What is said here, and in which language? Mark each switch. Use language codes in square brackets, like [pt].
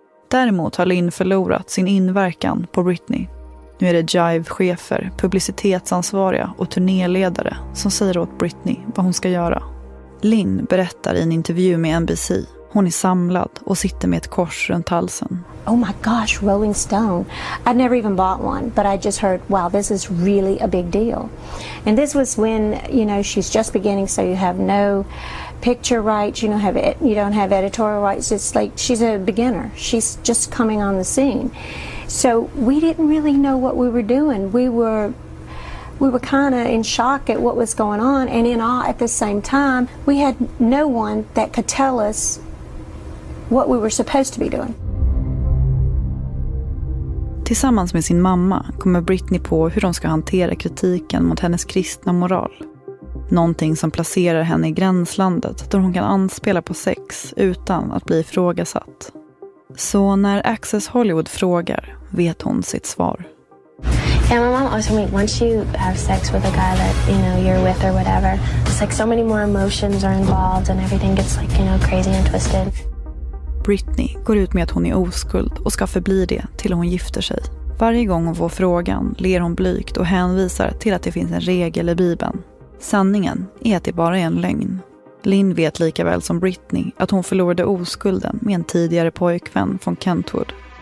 [sv] Däremot har Lynn förlorat sin inverkan på Britney. Nu är det Jive-chefer, publicitetsansvariga och turnéledare som säger åt Britney vad hon ska göra. Lynn berättar i en intervju med NBC. Hon är samlad och sitter med ett kors runt halsen. [en] Oh my gosh, Rolling Stone. I'd never even bought one, but I just heard, wow, this is really a big deal. And this was when, you know, she's just beginning, so you have no picture rights, you don't have editorial rights. It's like she's a beginner. She's just coming on the scene. So we didn't really know what we were doing. We were kind of in shock at what was going on and in awe at the same time. We had no one that could tell us what we were supposed to be doing. [sv] Tillsammans med sin mamma kommer Britney på hur de ska hantera kritiken mot hennes kristna moral. Någonting som placerar henne i gränslandet där hon kan anspela på sex utan att bli ifrågasatt. Så när Access Hollywood frågar vet hon sitt svar. [en] Yeah, my mom always told me once you have sex with a guy that you know you're with or whatever, it's like so many more emotions are involved and everything gets like you know crazy and twisted. [sv] Britney går ut med att hon är oskuld och ska förbli det till hon gifter sig. Varje gång hon får frågan ler hon blygt och hänvisar till att det finns en regel i Bibeln. Sanningen är att det bara är en lögn. Lynn vet lika väl som Britney att hon förlorade oskulden med en tidigare pojkvän från Kentwood.